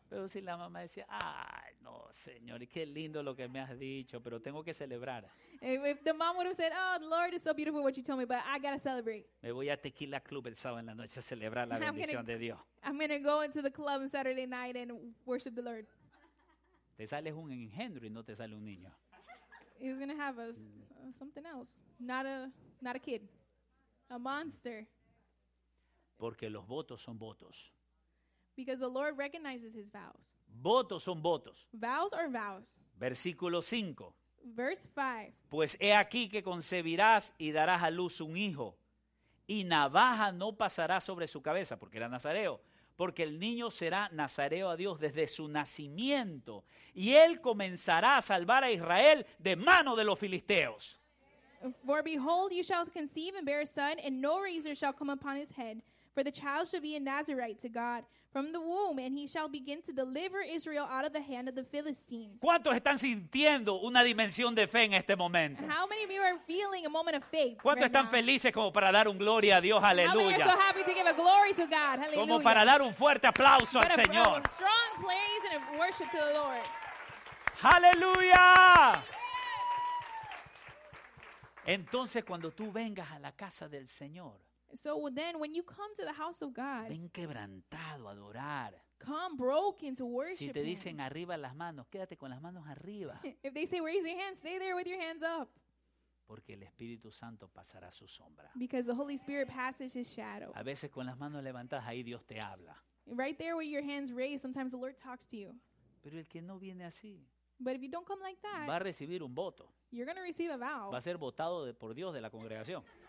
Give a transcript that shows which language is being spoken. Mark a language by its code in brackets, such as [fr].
[es] Pero si la mamá decía, ay, no, señor, qué lindo lo que me has dicho, pero tengo que celebrar. [en] If the mom would have said, oh, Lord, it's so beautiful what you told me, but I gotta celebrate. [es] Me voy a tequila club el sábado en la noche a celebrar la bendición de Dios. [en] I'm gonna go into the club on Saturday night and worship the Lord. [es] Te sales un engendro y no te sale un niño. [en] He was gonna have us something else, not a kid, a monster. [es] Porque los votos son votos. [en] Because the Lord recognizes his vows. [es] Votos son votos. [en] Vows are vows. [es] Versículo 5. [en] Verse 5. [es] Pues he aquí que concebirás y darás a luz un hijo, y navaja no pasará sobre su cabeza, porque era nazareo. Porque el niño será nazareo a Dios desde su nacimiento, y él comenzará a salvar a Israel de mano de los filisteos. [en] For behold, you shall conceive and bear a son, and no razor shall come upon his head. For the child shall be a Nazarite to God from the womb, and he shall begin to deliver Israel out of the hand of the Philistines. [es] ¿Cuántos están sintiendo una dimensión de fe en este momento? [en] How many of you are feeling a moment of faith? [es] ¿Cuántos [en] right [es] están [en] now? [es] Felices como para dar un gloria a Dios? Aleluya. [en] How many are so happy to give a glory to God? Hallelujah. [es] Como para dar un fuerte aplauso [en] but [es] al Señor. [en] A strong praise and a worship to the Lord. [es] Aleluya. Entonces cuando tú vengas a la casa del Señor, [en] so then when you come to the house of God, [es] ven quebrantado a adorar. [en] Come broken to worship. [es] Si te dicen arriba las manos, quédate con las manos arriba. [en] If they say raise your hands, stay there with your hands up. [es] Porque el Espíritu Santo pasará su sombra. [en] Because the Holy Spirit passes his shadow. [es] A veces con las manos levantadas ahí Dios te habla. [en] Right there with your hands raised, sometimes the Lord talks to you. [es] Pero el que no viene así, [en] but if you don't come like that, [es] va a recibir un voto. [en] You're going to receive a vow. [es] Va a ser votado por Dios de la congregación.